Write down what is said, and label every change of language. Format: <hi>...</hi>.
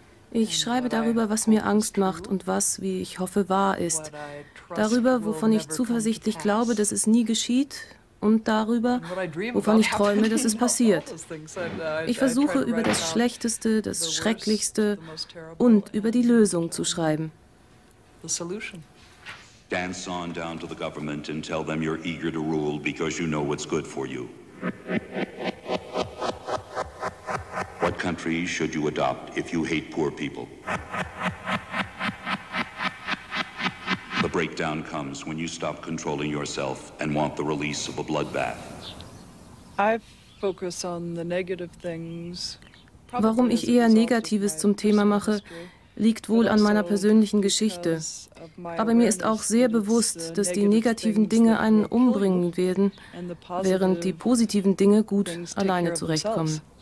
<de>Ich schreibe darüber, was mir Angst macht und was, wie ich hoffe, wahr ist. Darüber, wovon ich zuversichtlich glaube, dass es nie geschieht. Und darüber, wovon ich träume, dass es passiert. Ich versuche, über das Schlechteste, das Schrecklichste und über die Lösung zu schreiben.</de> <en>Dance on down to the government and tell them you're eager to rule because you know what's good for you. What country should you adopt if you hate poor people? The breakdown comes when you stop controlling yourself and want the release of a bloodbath. I focus on the negative things.</en> <de>Warum ich eher Negatives zum Thema mache, liegt wohl an meiner persönlichen Geschichte. Aber mir ist auch sehr bewusst, dass die negativen Dinge einen umbringen werden, während die positiven Dinge gut alleine zurechtkommen.</de>